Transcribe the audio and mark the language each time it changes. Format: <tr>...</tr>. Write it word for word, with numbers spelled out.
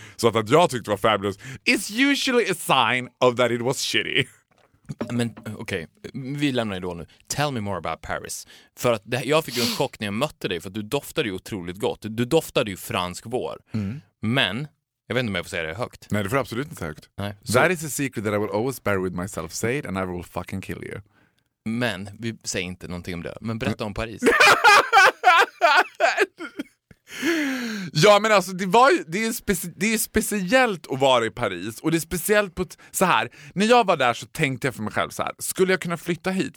<sv>Så att, att jag tyckte det var</sv> <en>fabulous is usually a sign of that it was shitty.</en> <sv>Men okej, okay. Vi lämnar Idol nu.</sv> <en>Tell me more about Paris.</en> <sv>För att det, jag fick en chock när jag mötte dig, för att du doftade ju otroligt gott. Du, du doftade ju fransk vår. Mm. Men jag vet inte om jag får säga det högt. Nej, det får absolut inte högt. Nej.</sv> <en>That is a secret that I will always bear with myself. Say it and I will fucking kill you.</en> <sv>Men vi säger inte någonting om det. Men berätta om Paris. Ja, men alltså det, var ju, det, är speci- det är speciellt att vara i Paris. Och det är speciellt på t- så här. När jag var där så tänkte jag för mig själv så här: skulle jag kunna flytta hit?</sv>